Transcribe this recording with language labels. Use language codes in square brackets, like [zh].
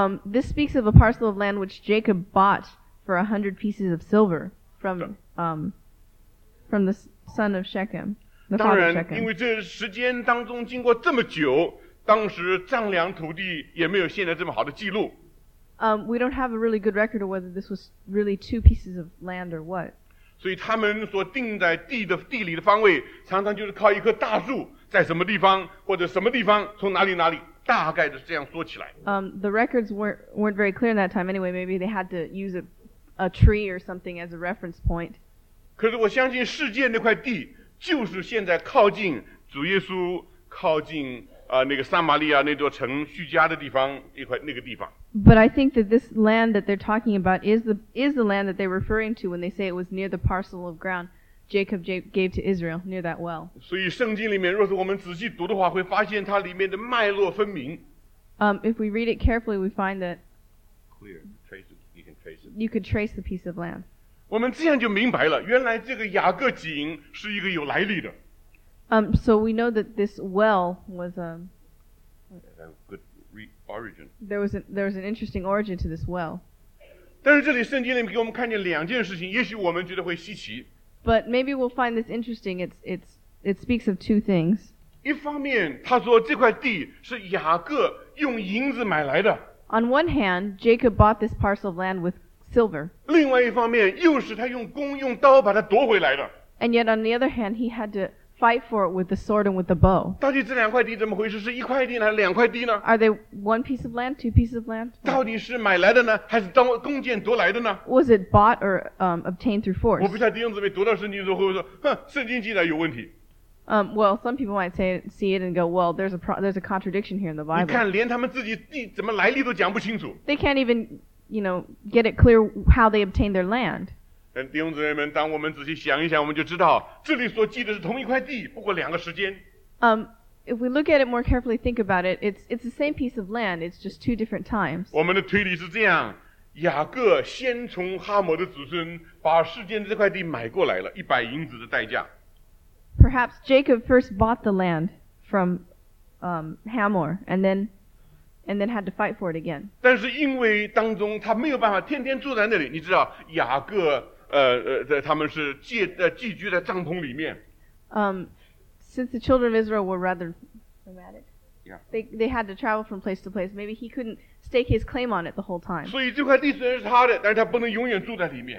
[en] This speaks of a parcel of land which Jacob bought for 100 pieces of silver from the son of Shechem, the father of Shechem. [zh] 当然，因为这时间当中经过这么久，当时丈量土地也没有现在这么好的记录。 [en] We don't have a really good record of whether this was really 2 pieces of land or what. [zh] 所以他们所定在地理的方位常常就是靠一棵大树在什么地方或者什么地方从哪里大概的这样说起来。 [en] The records weren't very clear in that time anyway. Maybe they had to use a tree or something as a reference point. [zh] 可是我相信世界那块地就是现在靠近主耶稣靠近那个撒玛利亚那座城叙加的地方一块那个地方。 [en] But I think that this land that they're talking about is the land that they're referring to when they say it was near the parcel of ground Jacob gave to Israel near that well. [zh] 所以圣经里面，若是我们仔细读的话，会发现它里面的脉络分明。 [en] If we read it carefully, we find that clear. Trace it. You can trace it. You could trace the piece of land. [zh] 我们这样就明白了，原来这个雅各井是一个有来历的。 [en] So we know that this well was a good origin. There was an interesting origin to this well. [zh] 但是这里圣经里面给我们看见两件事情，也许我们觉得会稀奇。 [en] But maybe we'll find this interesting. It speaks of two things. [zh] 一方面，他说这块地是雅各用银子买来的。 [en] On one hand, Jacob bought this parcel of land with silver. [zh] 另外一方面，又是他用弓用刀把它夺回来的。 [en] And yet, on the other hand, he had to. Fight for it with the sword and with the bow. [zh] 到底这两块地怎么回事？是一块地呢，还是两块地呢？ [en] Are they 1 piece of land, 2 pieces of land? [zh] 到底是买来的呢，还是当弓箭夺来的呢？ [en] Was it bought or obtained through force? [zh] 我不知道弟兄姊妹读到圣经之后会说，哼，圣经记载有问题。 [en] Well, some people might see it and go, well, there's a contradiction here in the Bible. [zh] 你看，连他们自己地怎么来历都讲不清楚。 [en] They can't even, you know, get it clear how they obtained their land. [zh] 弟兄姊妹们，当我们仔细想一想，我们就知道这里所记的是同一块地，不过两个时间。 [en] If we look at it more carefully, think about it. It's the same piece of land. It's just 2 different times. [zh] 我们的推理是这样：雅各先从哈摩的子孙把示剑这块地买过来了，100银子的代价。 [en] Perhaps Jacob first bought the land from Hamor, and then had to fight for it again. [zh] 但是因为当中他没有办法天天住在那里，你知道雅各。他们是寄居在帐篷里面。 [en] Since the children of Israel were rather nomadic, yeah, they had to travel from place to place. Maybe he couldn't stake his claim on it the whole time. [zh] 所以这块地虽然是他的，但是他不能永远住在里面。